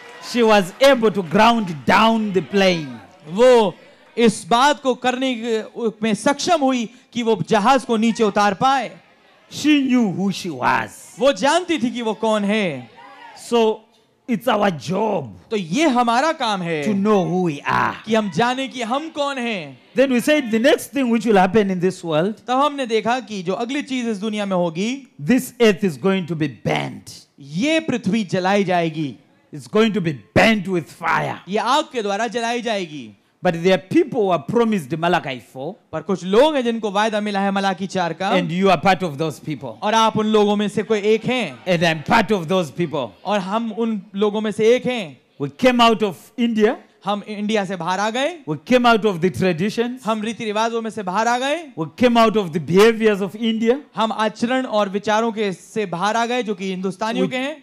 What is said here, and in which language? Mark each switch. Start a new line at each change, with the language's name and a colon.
English: She was able to ground down the plane.
Hindi: वो इस बात को करने में सक्षम हुई कि वो जहाज को नीचे उतार पाए.
English: She knew who she was.
Hindi: वो जानती थी कि वो कौन है.
English: So it's our job.
Hindi: तो ये हमारा काम है.
English: To know who we are.
Hindi: कि हम जाने कि हम कौन हैं.
English: Then we said the next thing which will happen in this world.
Hindi: तो हमने देखा कि जो अगली चीज़ इस दुनिया में होगी.
English: This earth is going to be burnt.
Hindi: ये पृथ्वी जलाई जाएगी.
English: It's going to be burnt with fire.
Hindi: ये आग के द्वारा जलाई जाएगी.
English: But there are people who are promised Malachi 4.
Hindi: पर कुछ लोग हैं जिनको वायदा मिला है मलाकी 4 का.
English: And you are part of those people.
Hindi: और आप उन लोगों में से कोई एक हैं.
English: And I'm part of those people.
Hindi: और हम उन लोगों में से एक हैं.
English: We came out of India.
Hindi: हम इंडिया से बाहर आ गए.
English: We came out of the traditions.
Hindi: हम रीति रिवाजों में से बाहर आ गए.
English: We came out of the behaviors of India.
Hindi: हम आचरण और विचारों के से बाहर आ गए जो कि हिंदुस्तानियों के हैं.